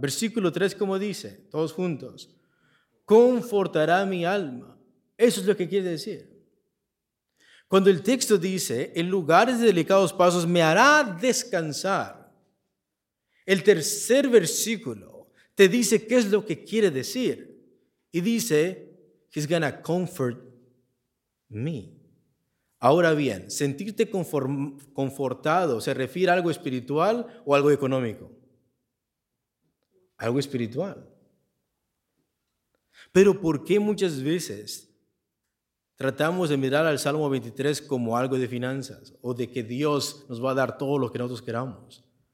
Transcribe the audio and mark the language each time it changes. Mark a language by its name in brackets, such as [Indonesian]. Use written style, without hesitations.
[Spanish] Versículo 3, como dice, todos juntos, confortará mi alma. Eso es lo que quiere decir. Cuando el texto dice, en lugares de delicados pastos me hará descansar, el tercer versículo te dice qué es lo que quiere decir. Y dice, [English] he's gonna comfort me. [Spanish] Ahora bien, ¿sentirte confortado se refiere a algo espiritual o algo económico? Algo espiritual. Pero ¿por qué muchas veces tratamos de mirar al Salmo 23 como algo de finanzas o de que Dios nos va a dar todo lo que nosotros queramos?